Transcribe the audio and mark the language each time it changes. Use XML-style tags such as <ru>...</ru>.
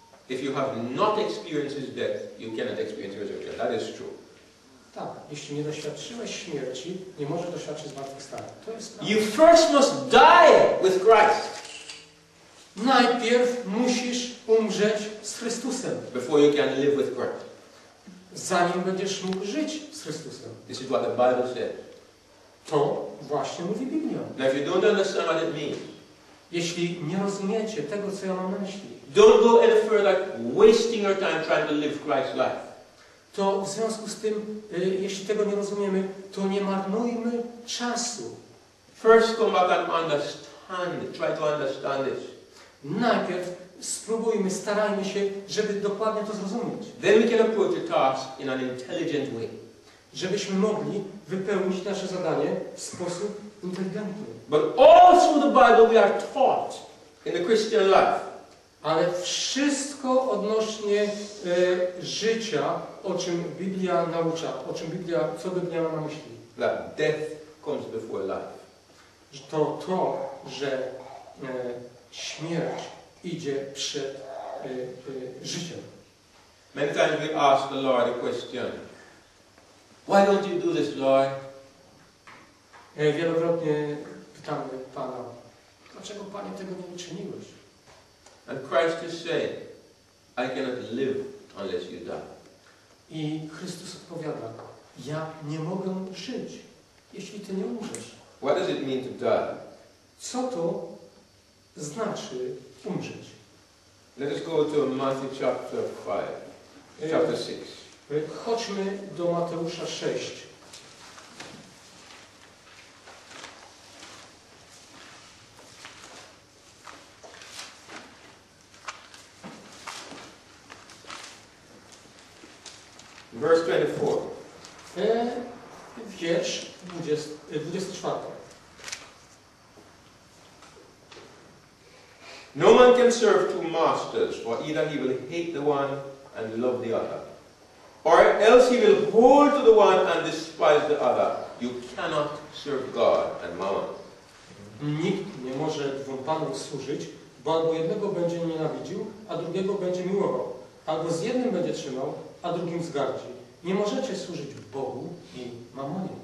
<en>If you have not experienced his death, you cannot experience resurrection. That is true.</en> <pl>Tak, jeśli nie doświadczyłeś śmierci, nie możesz doświadczyć zmartwychwstania. To jest prawda.</pl> <en>You first must die with Christ.</en> <pl>Najpierw musisz umrzeć z Chrystusem.</pl> <en>Before you can live with Christ.</en> <pl>Zanim będziesz mógł żyć z Chrystusem.</pl> <en>This is what the Bible says.</en> <pl>To właśnie mówi Biblia.</pl> <en>Now if you don't understand what it means.</en> <pl>Jeśli nie rozumiecie tego, co ja mam na myśli.</pl> <en>Don't go any further wasting your time trying to live Christ's life.</en> <pl>To w związku z tym, jeśli tego nie rozumiemy, to nie marnujmy czasu.</pl> <en>First come back and understand. Try to understand it.</en> <pl>Najpierw spróbujmy, starajmy się, żeby dokładnie to zrozumieć.</pl> <en>Then we can approach the task in an intelligent way.</en> <pl>Żebyśmy mogli wypełnić nasze zadanie w sposób inteligentny.</pl> <en>But all through the Bible we are taught in the Christian life.</en> <pl>Ale wszystko odnośnie życia, o czym Biblia naucza, o czym Biblia, co Biblia ma na myśli.</pl> <en>That death comes before life.</en> <pl>To, że śmierć idzie przed życiem.</pl> <en>Many times we ask the Lord a question. Why don't you do this, Lord?</en> <pl>Wielokrotnie pytamy Pana, dlaczego Panie tego nie uczyniłeś?</pl> <en>And Christ is saying, I cannot live unless you die.</en> <pl>I Chrystus odpowiada, ja nie mogę żyć, jeśli ty nie umrzesz.</pl> <en>What does it mean to die?</en> <pl>Co to znaczy umrzeć?</pl> <en>Let us go to Matthew chapter 5, chapter 6.</en> <pl>Chodźmy do Mateusza 6.</pl> <en>Verse 24.</en> <pl>Wiersz 24.</pl> <en>No man can serve two masters, for either he will hate the one and love the other. Or else he will hold to the one and despise the other. You cannot serve God and mammon.</en> <pl>Nikt nie może dwóm panom służyć, bo albo jednego będzie nienawidził, a drugiego będzie miłował. Albo z jednym będzie trzymał, a drugim zgardzi. Nie możecie służyć Bogu i mammonie.</pl>